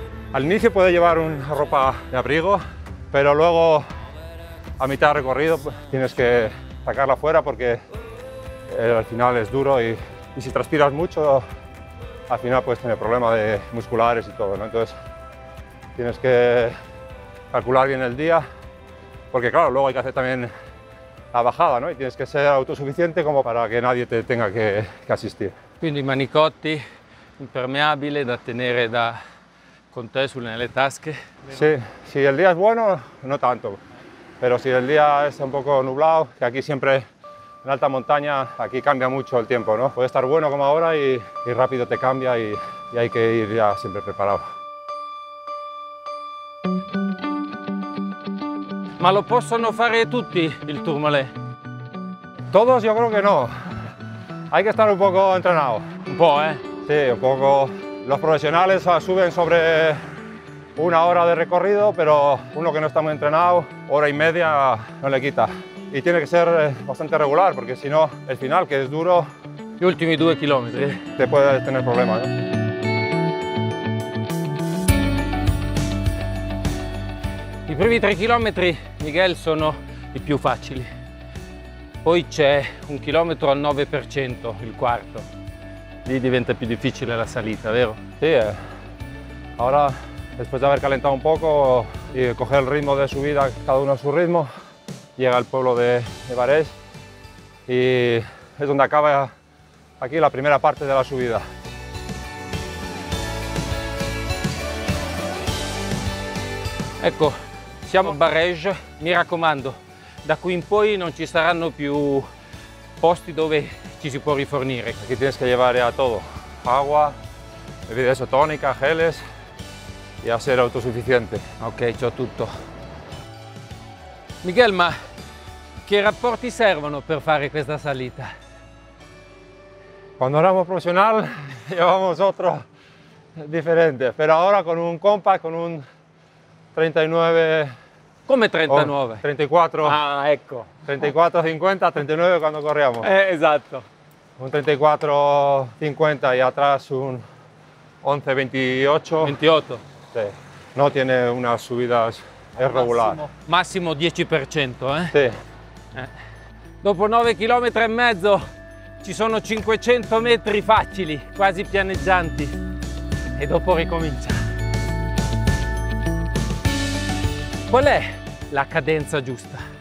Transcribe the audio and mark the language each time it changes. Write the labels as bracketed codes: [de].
[it] All'inizio puoi [es] llevar una ropa di abrigo, [it] però [es] luego [it] a metà [es] recorrido tienes que sacarla fuera [it] perché [es] al final es duro y si transpiras mucho al final puedes tener problemas de musculares y todo, ¿no? Entonces tienes que calcular bien el día porque claro, luego hay que hacer también la bajada, ¿no? Y tienes que ser autosuficiente como para que nadie te tenga que asistir. [it] Quindi manicotti impermeabile da tenere da con te nelle tasche. Sì, sì, il día è buono, [es] no tanto. [it] Però se il [es] día è un poco nublado, che aquí siempre en alta montaña aquí cambia mucho el tiempo, ¿no? Puede estar bueno como ahora y rápido te cambia y hay que ir ya siempre preparado. [it] Ma lo possono fare tutti il Tourmalet? [es] Todos yo creo que no. Hay que estar un poco entrenado. [it] Un po', [es] Sí, un poco. Los profesionales suben sobre una hora de recorrido, pero uno que no está muy entrenado, hora y media no le quita. Y tiene que ser bastante regular, porque si no, el final, que es duro. Los últimos 2 kilómetros. Te puede tener problemas, ¿no? Los primeros 3 kilómetros, Miguel, son los más fáciles. [it] Poi c'è un chilometro al 9%, il quarto. Lì diventa più difficile la salita, vero? Sì, ora, dopo aver [es] calentato un poco e coger [it] il ritmo di subida, [es] cada uno a suo ritmo, llega al pueblo [it] di Varese e è dove acaba qui la prima parte della subida. Ecco, siamo a Varese, mi raccomando, da qui in poi non ci saranno più posti dove ci si può rifornire. [es] Aquí tienes que llevar ya todo, agua, bebida isotónica, geles y a ser autosuficiente. [it] Ok, c'ho tutto. Miguel, ma che rapporti servono per fare questa salita? [es] Cuando éramos profesional llevábamos otro diferente, pero ahora con un compa, con un 39... [it] Come 39? 34. Ah, ecco. 34, 50, 39 quando corriamo. Esatto. [es] Un 34-50 y atrás un 11-28. 28. Sí. No tiene unas subidas irregulares. Máximo 10%, Sí. [it] Dopo 9 km e mezzo ci sono 500 metri facili, quasi pianeggianti. E dopo ricomincia. Qual è la cadenza giusta?